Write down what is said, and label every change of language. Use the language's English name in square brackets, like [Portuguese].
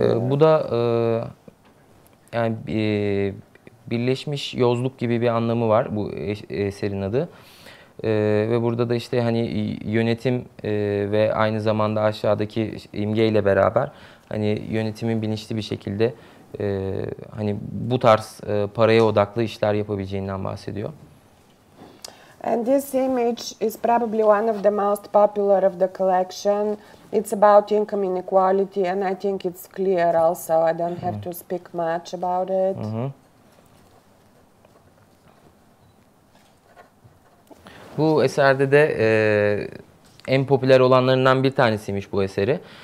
[Turkish] Bu da yani birleşmiş yozluk gibi bir anlamı var bu eserin adı. Ve burada da işte hani yönetim ve aynı zamanda aşağıdaki imgeyle beraber hani yönetimin bilinçli bir şekilde hani bu tarz paraya odaklı işler yapabileceğinden bahsediyor. [English] And this image is probably one of the most popular of the collection. It's about income inequality, and I think it's clear also. I don't have to speak much about it. [Turkish] Bu eserde de en popüler olanlarından bir tanesiymiş bu eseri.